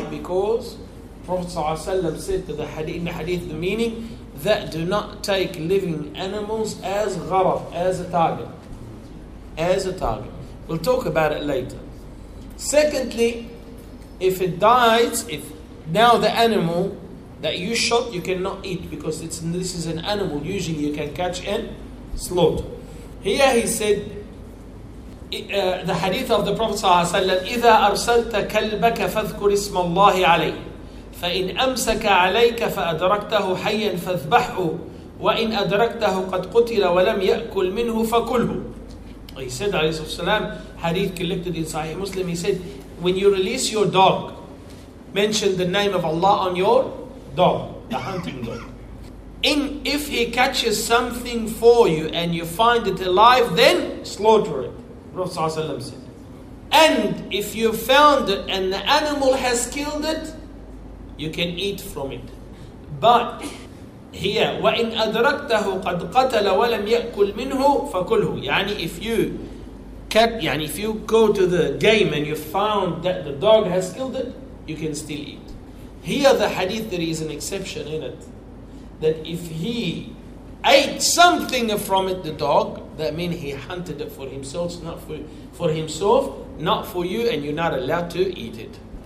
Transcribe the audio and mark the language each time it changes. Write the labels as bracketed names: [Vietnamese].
[English] Because Prophet ﷺ said to the hadith, in the hadith, the meaning that do not take living animals as gharar, as a target. As a target. We'll talk about it later. Secondly, if it dies, if now the animal that you shot, you cannot eat because this is an animal usually you can catch in. Slaughter. Here he said, the hadith of the Prophet [Arabic] صلى الله عليه وسلم, إِذَا أَرْسَلْتَ كَلْبَكَ فَاذْكُرْ إِسْمَ اللَّهِ عَلَيْهِ فَإِنْ أَمْسَكَ عَلَيْكَ فَأَدْرَكْتَهُ حَيًّا فَاذْبَحْهُ وَإِنْ أَدْرَكْتَهُ قَدْ قُتِلَ وَلَمْ يَأْكُلْ مِنْهُ فَكُلْهُ. [English] He said, [Arabic] عليه السلام, [English] hadith collected in Sahih Muslim, he said, when you release your dog, mention the name of Allah on your dog, the hunting dog. If he catches something for you and you find it alive, then slaughter it. Prophet ﷺ said. And if you found it and the animal has killed it, you can eat from it. But [Arabic] هي وإن أدركته قد قتل ولم يأكل منه فكله. [English] يعني if you cut, يعني if you go to the game and you found that the dog has killed it, you can still eat. Here the hadith, there is an exception in it, that if he ate something from it, the dog, that means he hunted it for himself, not for himself, not for you, and you're not allowed to eat it.